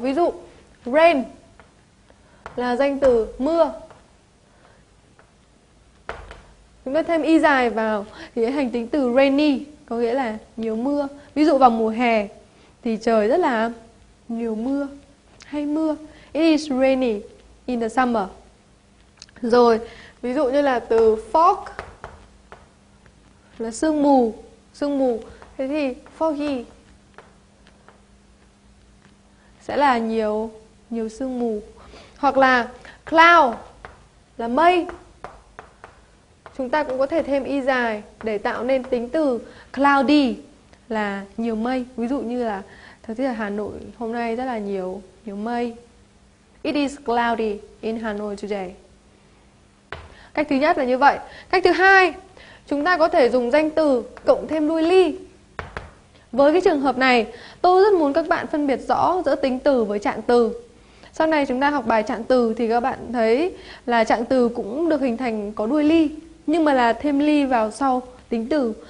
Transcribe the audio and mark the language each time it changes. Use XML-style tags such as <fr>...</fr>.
<vi>Ví dụ, rain là danh từ mưa. Chúng ta thêm y dài vào thì sẽ thành tính từ rainy, có nghĩa là nhiều mưa. Ví dụ vào mùa hè thì trời rất là nhiều mưa, hay mưa.</vi> <en>It is rainy in the summer.</en> <vi>Rồi, ví dụ như là từ fog là sương mù. Sương mù, thế thì foggy sẽ là nhiều, nhiều sương mù. Hoặc là cloud là mây. Chúng ta cũng có thể thêm y dài để tạo nên tính từ cloudy là nhiều mây. Ví dụ như là thời tiết ở Hà Nội hôm nay rất là nhiều, nhiều mây.</vi> <en>It is cloudy in Hà Nội today.</en> <vi>Cách thứ nhất là như vậy. Cách thứ hai, chúng ta có thể dùng danh từ cộng thêm đuôi ly. Với cái trường hợp này, tôi rất muốn các bạn phân biệt rõ giữa tính từ với trạng từ. Sau này chúng ta học bài trạng từ thì các bạn thấy là trạng từ cũng được hình thành có đuôi ly, nhưng mà là thêm ly vào sau tính từ.</vi>